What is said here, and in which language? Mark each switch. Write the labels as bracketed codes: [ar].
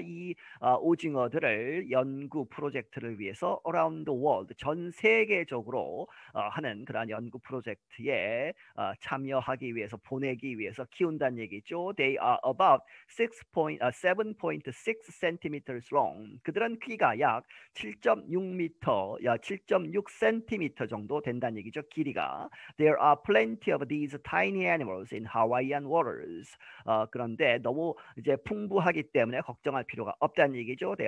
[ko] 이 오징어들을 연구 프로젝트를 위해서 [en] around the world, [ko] 전 세계적으로 하는 그러한 연구 프로젝트에 참여하기 위해서 보내기 위해서 키운다는 얘기죠. [en] They are about 7.6cm long. [ko] 그들은 크기가 약 7.6m, 야 7.6cm 정도 된다는 얘기죠. 길이가. [en] There are plenty of these tiny animals in Hawaiian waters. [ko] 그런데 너무 이제 풍부하기 때문에 걱정할 필요가 없다는 얘기죠.